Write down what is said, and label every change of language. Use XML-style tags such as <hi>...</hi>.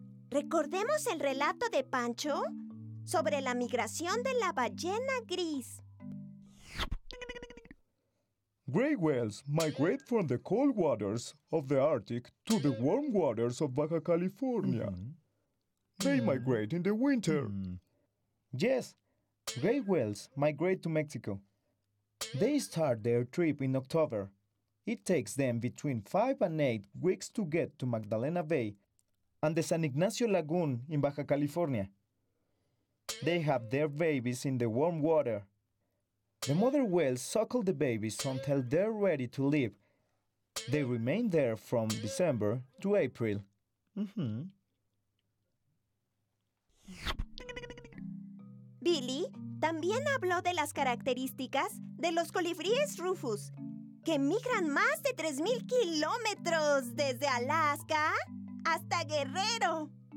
<es>Recordemos el relato de Pancho sobre la migración de la ballena gris.</es> <en>Gray whales migrate from the cold waters of the Arctic to the warm waters of Baja California. They migrate in the winter. Yes, gray whales migrate to Mexico. They start their trip in October. It takes them between 5 and 8 weeks to get to Magdalena Bay and the San Ignacio Lagoon in Baja California. They have their babies in the warm water. The mother whales suckle the babies until they're ready to leave. They remain there from December to April.</en> <es>Billy también habló de las características de los colibríes rufus, que migran más de 3,000 kilómetros desde Alaska hasta Guerrero.</es>